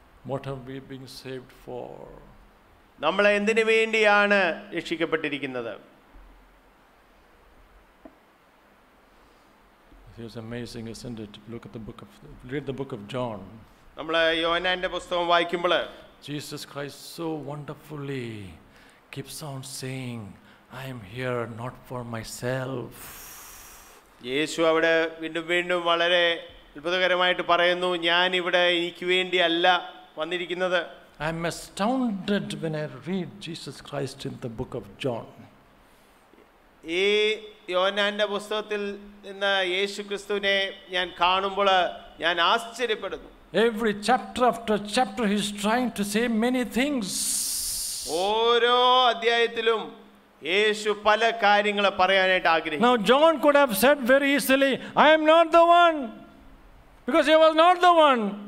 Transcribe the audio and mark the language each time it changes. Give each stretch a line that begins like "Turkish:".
English: what have we been saved for?
Malayalam: നമ്മളെ എന്തിനു വേണ്ടിയാണ് രക്ഷിക്കപ്പെട്ടിരിക്കുന്നത്?
English: It is amazing, isn't it? Look at the book of read the book of John.
Malayalam: നമ്മളെ യോഹന്നാന്റെ പുസ്തകം വായിക്കുമ്പോൾ
English: Jesus Christ so wonderfully keeps on saying, I am here not for myself.
Malayalam: യേശു അവിടെ വീണ്ടും വീണ്ടും വളരെ അത്ഭുതകരമായിട്ട് പറയുന്നു, ഞാൻ ഇവിടെ എനിക്ക് വേണ്ടിയല്ല വന്നിരിക്കുന്നത്.
English: I am astounded when I read Jesus Christ in the book of John.
Malayalam: ഈ യോഹന്നാന്റെ പുസ്തകത്തിൽ നിന്ന് യേശുക്രിസ്തുവിനെ ഞാൻ കാണുമ്പോൾ ഞാൻ ആശ്ചര്യപ്പെടുന്നു.
English: Every chapter after chapter he is trying to say many things.
Malayalam: ഓരോ അധ്യായത്തിലും യേശു പല കാര്യങ്ങളെ പറയാനായിട്ട് ആഗ്രഹിക്കുന്നു.
English: Now John could have said very easily, I am not the one, because he was not the one.